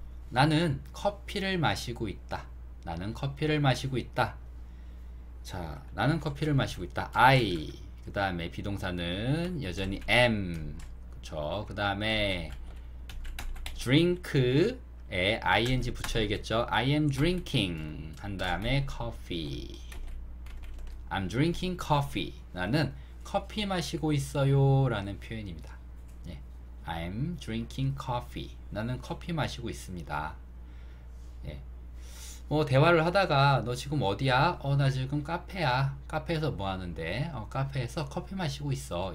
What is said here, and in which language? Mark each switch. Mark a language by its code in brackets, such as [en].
[ko] 나는 커피를 마시고 있다. 나는 커피를 마시고 있다. 자, 나는 커피를 마시고 있다. [en] I. [ko] 그 다음에 비동사는 여전히 am. 그렇죠. 그 다음에 drink에 ing 붙여야겠죠. [en] I am drinking 한 다음에 coffee. I'm drinking coffee. [ko] 나는 커피 마시고 있어요라는 표현입니다. [en] 예. I'm drinking coffee. [ko] 나는 커피 마시고 있습니다. 뭐 대화를 하다가 너 지금 어디야? 나 지금 카페야. 카페에서 뭐 하는데? 카페에서 커피 마시고 있어.